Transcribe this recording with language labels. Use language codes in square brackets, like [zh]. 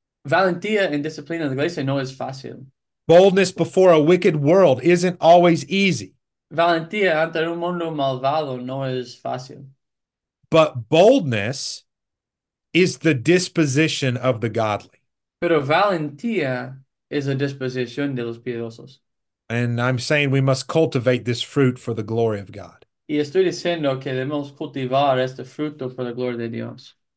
[es] Valentía en disciplina de iglesia no es fácil. [en] Boldness before a wicked world isn't always easy. [es] Valentía ante un mundo malvado no es fácil. [en] But boldness is the disposition of the godly. [es] Pero valentía is a disposición de los piedosos. [en] And I'm saying we must cultivate this fruit for the glory of God. [es] Y estoy diciendo que debemos cultivar este fruto para la gloria de Dios.